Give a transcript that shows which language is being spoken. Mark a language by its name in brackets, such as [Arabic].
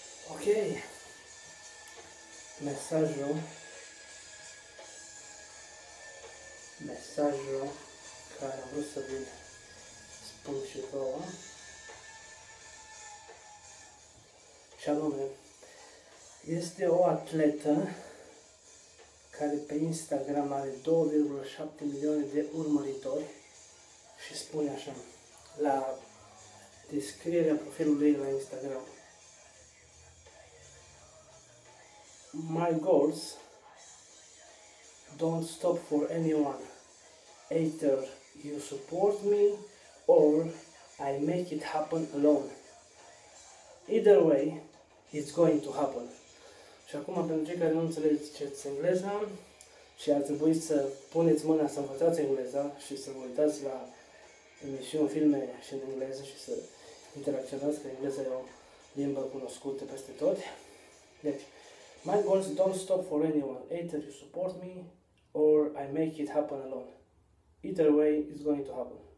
[Romanian] Ok, mesajul care am vrut să vi-l spun și vouă, și anume, este o atletă care pe Instagram are 2,7 milioane de urmăritori și spune așa, la descrierea profilului la Instagram. [English] My goals don't stop for anyone. Either you support me or I make it happen alone. Either way, it's going to happen. [Romanian] Și acum, pentru cei care nu înțelegeți ce este engleza și ar trebui să puneți mâna să învățați engleza și să vă uitați la emisiuni, filme și în engleză și să interacționați, că engleza e o limbă cunoscută peste tot. [English] Deci, my goals don't stop for anyone. Either you support me or I make it happen alone. Either way, it's going to happen.